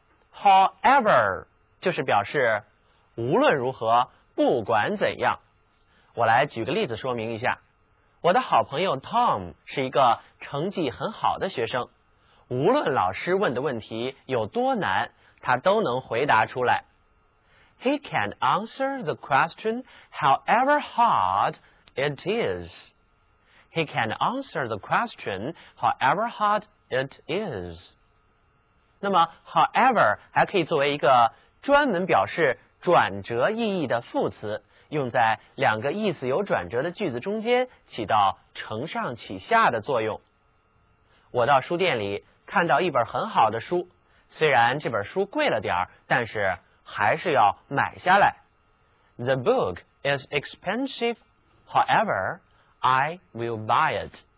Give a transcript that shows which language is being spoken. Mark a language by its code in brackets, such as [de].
[zh] however 就是表示无论如何，不管怎样。我来举个例子说明一下，我的好朋友 Tom 是一个成绩很好的学生，无论老师问的问题有多难，他都能回答出来。 [en] He can answer the question however hard it is。 He can answer the question however hard it is。 [zh] 那么 however 还可以作为一个专门表示转折意义的副词，用在两个意思有转折的句子中间，起到承上启下的作用。我到书店里看到一本很好的书，虽然这本书贵了点，但是还是要买下来。 [en] The book is expensive, howeverI will buy it.